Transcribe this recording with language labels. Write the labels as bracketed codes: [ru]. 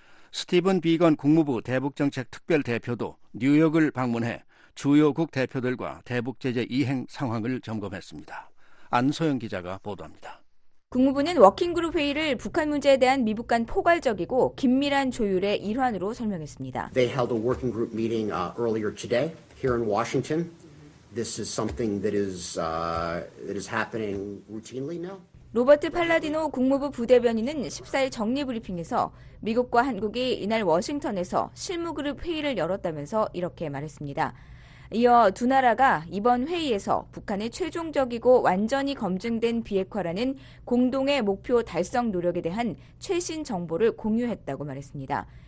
[ko] 스티븐 비건 국무부 대북정책특별대표도 뉴욕을 방문해 주요국 대표들과 대북제재 이행 상황을 점검했습니다. 안소영 기자가 보도합니다. 국무부는 워킹그룹 회의를 북한 문제에 대한 미북 간 포괄적이고 긴밀한 조율의 일환으로 설명했습니다. [en] They held a working group meeting earlier today here in Washington. This is something that is happening routinely now. [ko] 로버트 팔라디노 국무부 부대변인은 14일 정례 브리핑에서 미국과 한국이 이날 워싱턴에서 실무그룹 회의를 열었다면서 이렇게 말했습니다. 이어 두 나라가 이번 회의에서 북한의 최종적이고 완전히 검증된 비핵화라는 공동의 목표 달성 노력에 대한 최신 정보를 공유했다고 말했습니다.